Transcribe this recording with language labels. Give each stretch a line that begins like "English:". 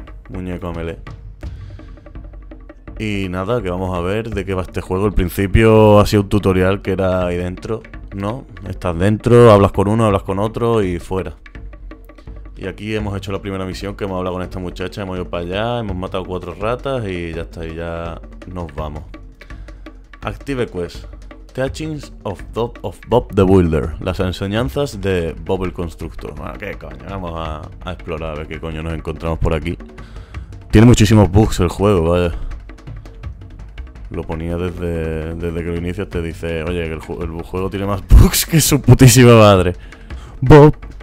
Spanish: Muñeco a Mele. Y nada, que vamos a ver de qué va este juego. El principio ha sido un tutorial que era ahí dentro, ¿no? Estás dentro, hablas con uno, hablas con otro y fuera. Y aquí hemos hecho la primera misión, que hemos hablado con esta muchacha, hemos ido para allá, hemos matado cuatro ratas y ya está, y ya nos vamos.
English: Active Quest: Teachings of Bob the Builder.
Spanish: Las enseñanzas de Bob el Constructor. Bueno, qué coño, vamos a explorar a ver qué coño nos encontramos por aquí. Tiene muchísimos bugs el juego, vaya. Lo ponía desde que lo inicias, te dice, oye, que el juego tiene más bugs que su putísima madre. Bob.